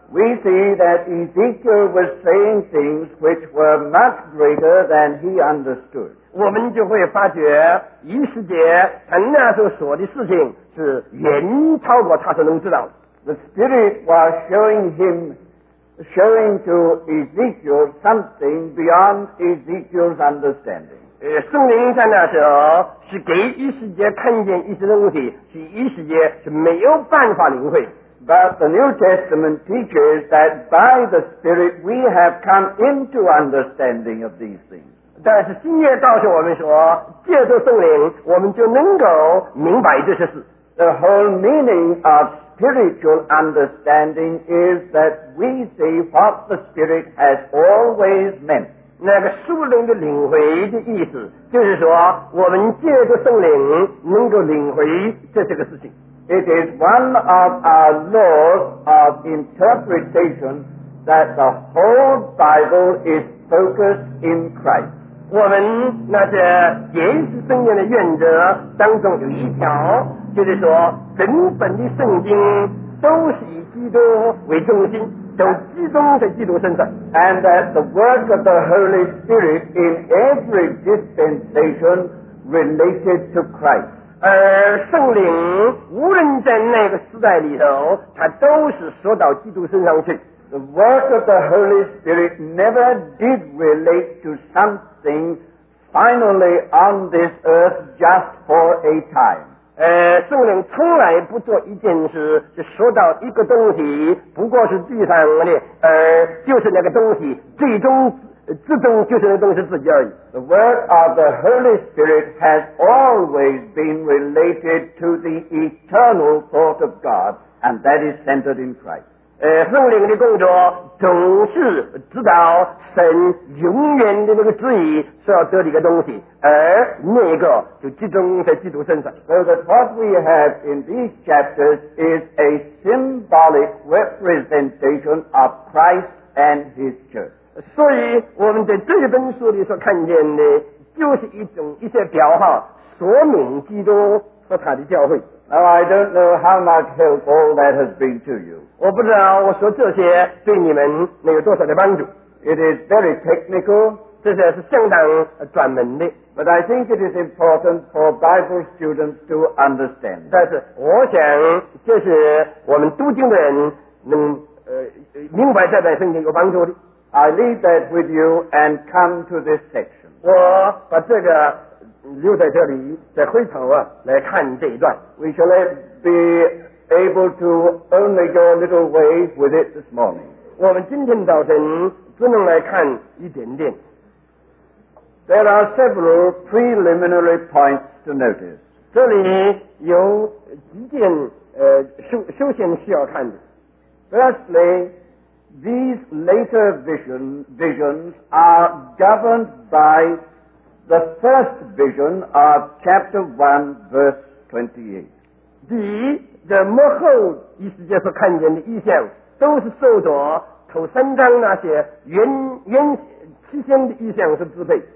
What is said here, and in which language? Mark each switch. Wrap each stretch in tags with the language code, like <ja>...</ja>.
<en>We see that Ezekiel was saying things which were much greater than he understood.</en> <zh>我们就会发觉以西结他那时候说的事情是远超过他所能知道的。</zh> <en>The Spirit was showing to Ezekiel something beyond Ezekiel's understanding.</en> <zh>圣灵在那时候是给以西结看见一些东西，是以西结是没有办法领会。</zh> <en>But the New Testament teaches that by the Spirit we have come into understanding of these things.</en> <zh>但是新约告诉我们说，借着圣灵，我们就能够明白这些事。</zh> <en>The whole meaning of spiritual understanding is that we see what the Spirit has always meant.</en> <zh>那个属灵的领会的意思，就是说，我们借着圣灵能够领会这个事情。</zh> <en>It is one of our laws of interpretation that the whole Bible is focused in Christ.</en> <zh>我们那些解释圣经的原则当中有一条，就是说整本的圣经都是以基督为中心，都集中在基督身上。</zh> <en>And that the work of the Holy Spirit in every dispensation related to Christ.</en> <zh>而圣灵无论在那个时代里头，它都是说到基督身上去。</zh> <en>The work of the Holy Spirit never did relate to something finally on this earth just for a time.</en> <zh>圣灵从来不做一件事，是说到一个东西，不过是地上的，就是那个东西最终。自动就是那东西自己而已。</zh> <en>The work of the Holy Spirit has always been related to the eternal thought of God, and that is centered in Christ.</en> <zh>圣灵的工作总是知道神永远的那个旨意是要得的一个东西，而那个就集中在基督身上。</zh> <en>So that what we have in these chapters is a symbolic representation of Christ and His church.</en> <zh>所以我们在这本书里所看见的就是一些表号，说明基督和他的教会。</zh> <en>Now I don't know how much help all that has been to you.</en> <zh>我不知道我说这些对你们能有多少的帮助。</zh> <en>It is very technical.</en> <zh>这些是相当专门的。</zh> <en>But I think it is important for Bible students to understand.</en> <zh>但是我想这是我们读经的人能明白这本圣经有帮助的。</zh> <en>I leave that with you and come to this section.</en> <zh>我把这个留在这里，再回头啊来看这一段。</zh> <en>We shall be able to only go a little way with it this morning.</en> <zh>我们今天早晨只能来看一点点。</zh> <en>There are several preliminary points to notice.</en> <zh>这里有几件首先需要看的。</zh> <en>Firstly,These later visions are governed by the first vision of chapter 1, verse 28.</en> <zh>第一，这幕后以西结所看见的异象，都是受着头三章那些原七先的异象所支配。</zh>